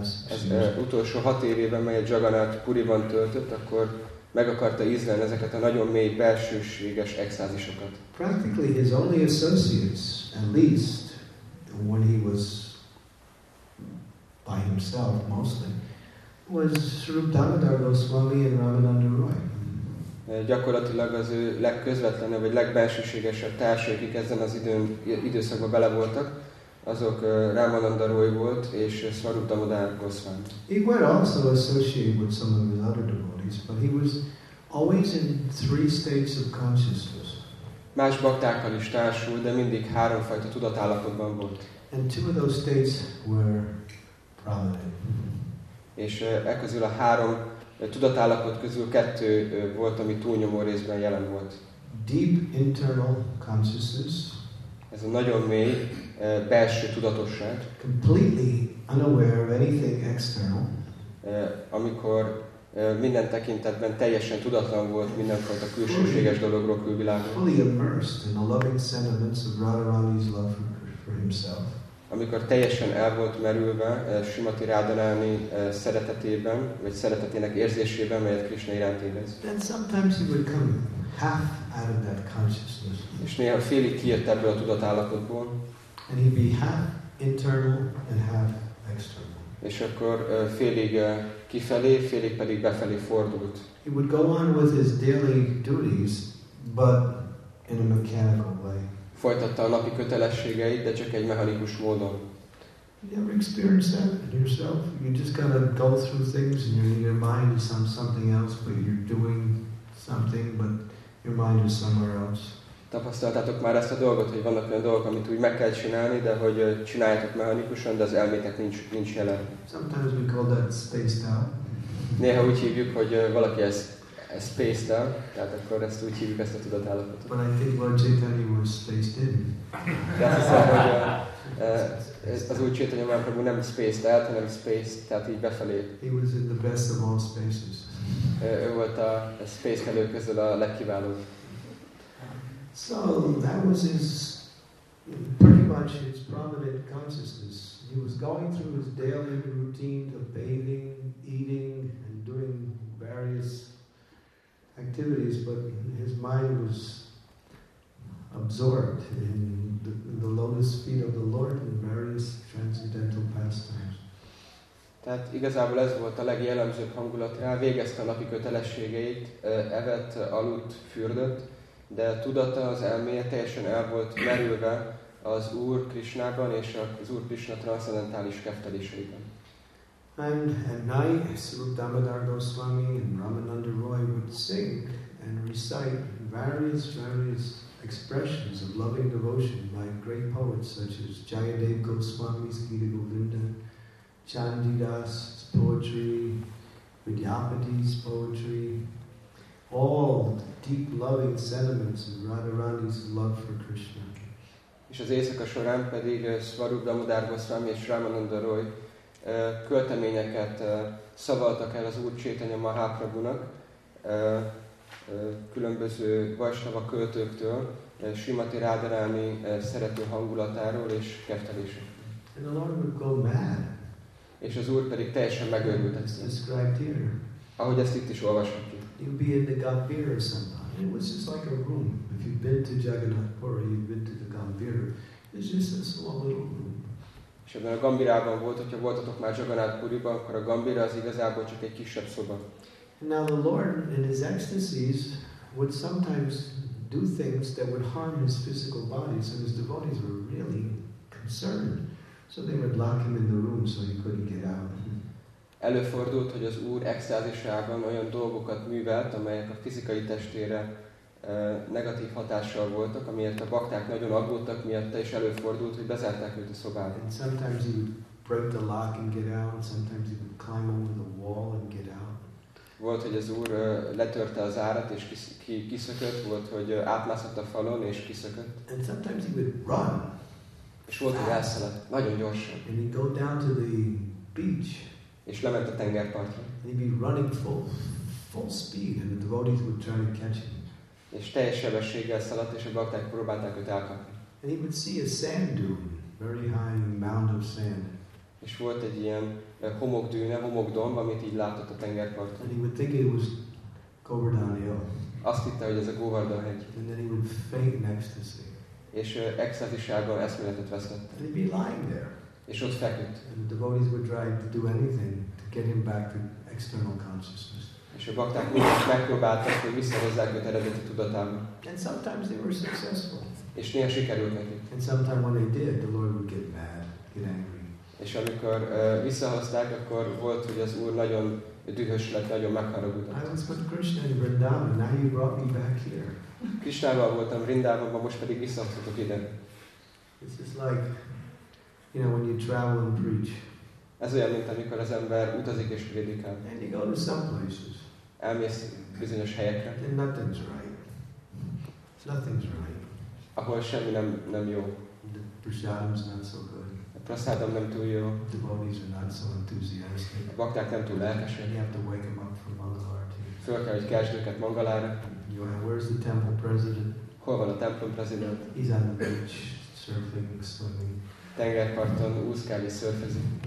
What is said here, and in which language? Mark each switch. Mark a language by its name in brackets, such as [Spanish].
[Hungarian] Az utolsó 6 évében, melyet Jagannath Puriban töltött, akkor meg akarta ízlelni ezeket a nagyon mély belsőséges extázisokat. [English] Practically his only associates, at least when he was by himself mostly, was Srirup Damodar Goswami and Ramananda Roy. [Hungarian] Gyakorlatilag az ő legközvetlenebb vagy legbelsőségesebb társai, akik ezen az időszakban bele voltak, azok Ramananda Roy volt és Srirup Damodar Goswami. [English] He was also associated with some of his other devotees, but he was always in 3 states of consciousness. [Hungarian] Más baktákkal is társul, de mindig 3 fajta tudatállapotban volt. [English] And 2 of those states were prana. [Hungarian] És e közül a 3 tudatállapot közül 2 volt, ami túlnyomó részben jelen volt. [English] Deep internal consciousness. [Hungarian] Ez a nagyon mély belső tudatosság. [English] Completely unaware of anything external. [Hungarian] Amikor minden tekintetben teljesen tudatlan volt mindenfajta külsőséges dologról, külvilágról. [English] Fully immersed in the loving sentiments of Radharani's love for himself. [Hungarian] Amikor teljesen el volt merülve Srimati Radharani szeretetében, vagy szeretetének érzésében, melyet Krishna iránt érez. [English] Then sometimes he would come half out of that consciousness. [Hungarian] És néha félig kijött ebből a tudatállapotból. [English] And he'd be half internal and half external. [Hungarian] És akkor félig kifelé, félig pedig befelé fordult. [English] He would go on with his daily duties, but in a mechanical way. [Hungarian] Folytatta a napi kötelességeit, de csak egy mechanikus módon. [English] You ever experienced that in yourself? You just gotta go through things, and your mind is on something else, but you're doing something, but your mind is somewhere else. [Hungarian] Tapasztaltátok már ezt a dolgot, hogy vannak olyan dolgok, amit úgy meg kell csinálni, de hogy csináljátok mechanikusan, de az elmétek nincs jelen. [English] Sometimes we call that spaced out. [Hungarian] Néha úgy hívjuk, hogy valaki ez spaced out, tehát akkor ezt úgy hívjuk, ezt a tudatállapotot. [English] But I think Lord Chaitanya was spaced in. [Hungarian] De azt hiszem, hogy az úgy Chaitanya Mahaprabhu nem spaced out, hanem spaced, tehát így befelé. [English] He was in the best of all spaces. [Hungarian] Ő volt a spaced elő közül a legkiválóbb. [English] So that was his pretty much his prominent consciousness. He was going through his daily routine of bathing, eating, and doing various activities, but his mind was absorbed in the lotus feet of the Lord and various transcendental pastimes. [Hungarian] Tehát igazából ez volt a legjellemzőbb hangulat rá, végezte a napi kötelességeit, evett, aludt, fürdött. De tudata, az elméje teljesen el volt merülve az Úr Krisnában és az Úr Krisna transzendentális kefteléseiben. [English] And at night, Srila Damodar Goswami and Ramananda Roy would sing and recite various expressions of loving devotion by great poets such as Jayadeva Goswami's Gita Govinda, Chandidas' poetry, Vidyapati's poetry, all deep loving sentiments of Radharani's love for Krishna. [Hungarian] És az éjszaka során pedig Swarup Damodar Goswami és Ramananda Roy költeményeket szavaltak el az Úr Chaitanya Mahaprabhunak különböző Vaishnava költőktől, Srimati Radharani szerető hangulatáról és keftelésekről. [English] And the Lord would go mad. [Hungarian] És az Úr pedig teljesen megőrült ezt. [English] Described here. [Hungarian] Ahogy ezt itt is olvashatjuk. [English] You'd be in the Gambhir sometimes. It was just like a room. If you've been to Jagannath Puri, you've been to the Gambhir. It's just a small little room. [Hungarian] És ebben a Gambhirában volt, hogyha voltatok már Jagannath Puriban, akkor a Gambhir az igazából csak egy kisebb szoba. [English] Now the Lord, in his ecstasies, would sometimes do things that would harm his physical body, so his devotees were really concerned. So they would lock him in the room so he couldn't get out. [Hungarian] Előfordult, hogy az Úr extázisában olyan dolgokat művelt, amelyek a fizikai testére negatív hatással voltak, amiért a bakták nagyon aggódtak miatta, és előfordult, hogy bezárták őt a szobába. [English] And sometimes he would break the lock and get out, sometimes he would climb over the wall and get out. [Hungarian] Volt, hogy az Úr letörte az árat és kiszökött, volt, hogy átmászott a falon és kiszökött. [English] And sometimes he would run. [Hungarian] És volt, hogy elszaladt, nagyon gyorsan. [English] And he'd go down to the beach. [Hungarian] És lement a tengerpartra. [English] And he'd be running full speed, and the devotees would try to catch him. [Hungarian] És teljes sebességgel szaladt, és a bakták próbálták őt elkapni. [English] And he would see a sand dune, very high mound of sand. [Hungarian] És volt egy ilyen homokdűne, homokdomb, amit így látott a tengerparton. [English] And he would think it was Govardhan Hill. [Hungarian] Azt hitte, hogy ez a Govardhan hegy. [English] And then he would faint in ecstasy. [Hungarian] És extázisában eszméletet veszett. [English] And he'd be lying there. [Hungarian] És ott feküdt. [English] And the devotees would try to do anything to get him back to external consciousness. [Hungarian] És a bakták mindent megpróbáltak, hogy visszahozzák őt eredeti tudatába. [English] And sometimes they were successful. [Hungarian] És néha sikerült nekik. [English] And sometimes when they did, the Lord would get mad, get angry. [Hungarian] És amikor visszahozták, akkor volt, hogy az Úr nagyon dühös lett, nagyon megharagudott. [English] I was with Krishna in Vrindavan, now you brought me back here. [Hungarian] Krishnával voltam Vrindavanban, most pedig visszahoztatok ide. [English] This is like, you know, when you travel and preach. [Hungarian] Ez olyan, mint amikor az ember utazik és prédikál. [English] And you go to some places. [Hungarian] Elmész bizonyos helyekre. [English] And nothing's right. Nothing's right. [Hungarian] Ahol semmi nem jó. The [English] prasadam's not so good. [Hungarian] A prasadam nem túl jó. [English] The devotees are not so enthusiastic. [Hungarian] A bakták nem túl lelkesek. [English] And you have to wake them up from Mangalore too. [Hungarian] Föl kell, hogy keltsd őket Mangalára. [English] You know, where's the temple president? [Hungarian] Hol van a templom prezident? [English] He's on the beach, surfing, swimming. [Hungarian] Tengerparton úszkálni, szörfezni.